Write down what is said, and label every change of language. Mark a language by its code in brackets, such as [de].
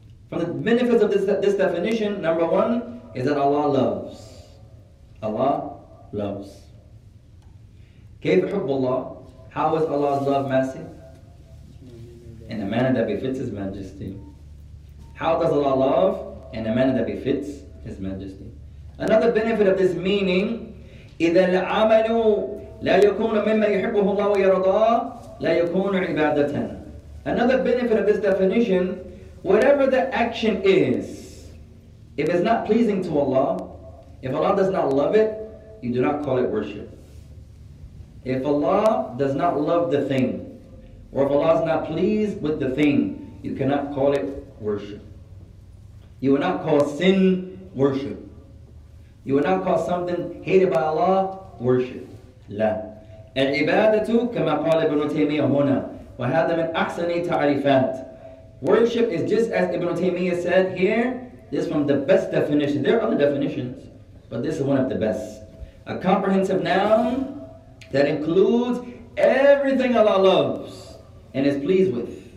[en] From the benefits of this definition, number one, is that Allah loves. Allah loves. [ar] كيف حب الله? [en] How is Allah's love massive? In a manner that befits His Majesty. How does Allah love? In a manner that befits His Majesty. Another benefit of this meaning, [ar] إذا العمل لا يكون مما يحبه الله ويرضاه لا يكون عبادة. [en] Another benefit of this definition, whatever the action is, if it's not pleasing to Allah, if Allah does not love it, you do not call it worship. If Allah does not love the thing, or if Allah is not pleased with the thing, you cannot call it worship. You will not call sin worship. You will not call something hated by Allah worship. [ar] لا. العبادة كما قال ابن تيمية هنا. وهذا من أحسن تعريفات. [en] Worship is just as ابن تيمية said here. This is from the best definition. There are other definitions, but this is one of the best. A comprehensive noun that includes everything Allah loves and is pleased with.